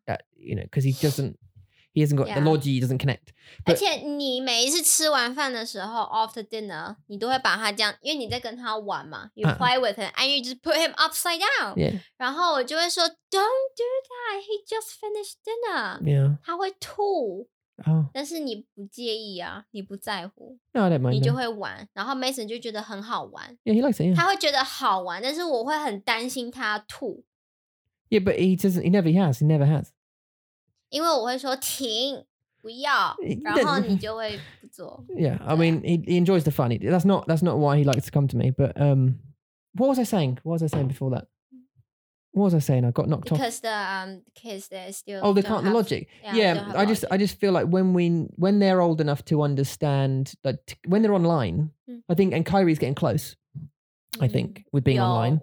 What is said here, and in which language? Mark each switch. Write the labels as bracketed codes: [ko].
[en] That, you know, because he hasn't got, the logic doesn't connect. [zh] But, 而且你每一次吃完饭的时候 [en] after dinner, [zh] 你都会把他这样，因为你在跟他玩嘛， [en] you play with him, and you just put him upside down. Yeah. [zh] 然后我就会说 [en] don't do that, he just finished dinner. Yeah. [zh] 他会吐。 [en] Oh. [zh] 但是你不介意啊，你不在乎。 [en] No, I don't mind. [zh] 你就会玩，然后 Mason 就觉得很好玩。 [en] Yeah, he likes it, yeah. [zh] 他会觉得好玩，但是我会很担心他吐。 [en] Yeah, but he never has. [zh] 因为我会说停，不要，然后你就会不做。 [en] Yeah, I mean, he enjoys the funny. That's not why he likes to come to me. But what was I saying? What was I saying before that? What was I saying? I got knocked because Because the kids, they're still... Oh, they can't, have, the logic. Yeah, logic. I just feel like when they're old enough to understand, like, when they're online, I think, and Kyrie's getting close, I think, with being online.